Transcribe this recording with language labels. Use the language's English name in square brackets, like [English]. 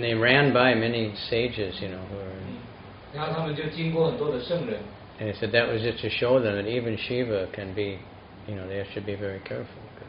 [English] they ran by many sages, you know, who are. [Chinese] 然后他们就经过很多的圣人。 [English] And they said that was just to show them that even Shiva can be, you know, they should be very careful.